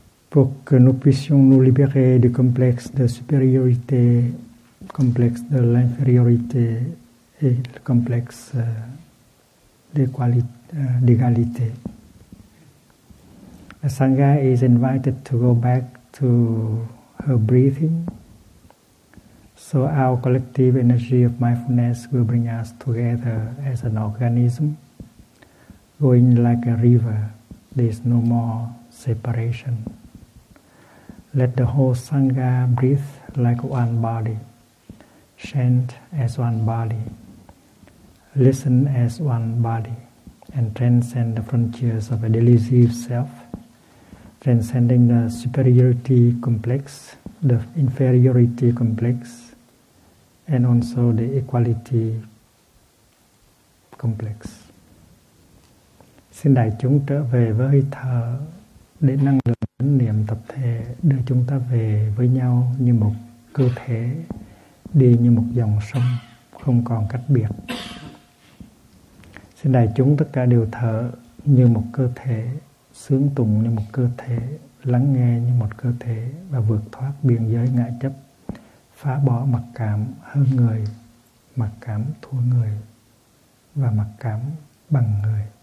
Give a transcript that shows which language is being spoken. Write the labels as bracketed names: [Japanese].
[French] pour que nous puissions nous libérer du complexe de supériorité, complexe de l'infériorité et le complexe d'égalité. [English] The Sangha is invited to go back to her breathing. So our collective energy of mindfulness will bring us together as an organism, going like a river. There is no more separation. Let the whole Sangha breathe like one body, chant as one body, listen as one body, and transcend the frontiers of a delusive self, transcending the superiority complex, the inferiority complex, and also the equality complex. [Vietnamese] Xin đại chúng trở về với thở để năng lượng chánh niệm tập thể đưa chúng ta về với nhau như một cơ thể, đi như một dòng sông không còn cách biệt. Xin đại chúng tất cả đều thở như một cơ thể, sướng tụng như một cơ thể, lắng nghe như một cơ thể và vượt thoát biên giới ngã chấp, phá bỏ mặc cảm hơn người, mặc cảm thua người và mặc cảm bằng người.